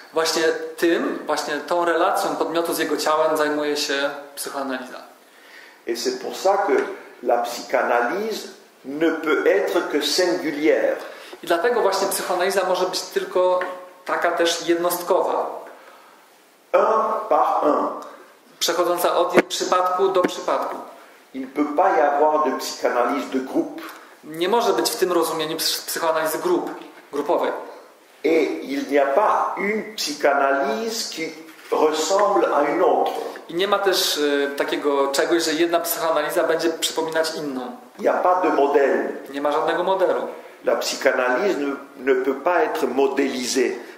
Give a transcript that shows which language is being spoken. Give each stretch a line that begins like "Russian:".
Polish: Właśnie tym, właśnie tą relacją podmiotu z jego ciałem zajmuje się psychoanaliza.
French: Et c'est pour ça que la psychanalyse ne peut être que singulière.
Polish: I dlatego właśnie psychoanaliza może być tylko taka też jednostkowa.
French: Un par un.
Polish: Przechodząca od przypadku do przypadku.
French: Il ne peut pas y avoir de psychanalyse de groupe.
Polish: Nie może być w tym rozumieniu psychoanalizy grupowej.
French: Et il n'y a pas une psychanalyse qui ressemble à une autre.
Polish: I nie ma też takiego czegoś, że jedna psychoanaliza będzie przypominać inną.
French: Il n'y a pas de modèle.
Polish: Nie ma żadnego modelu.
French: La psychanalyse ne peut pas être modélisée.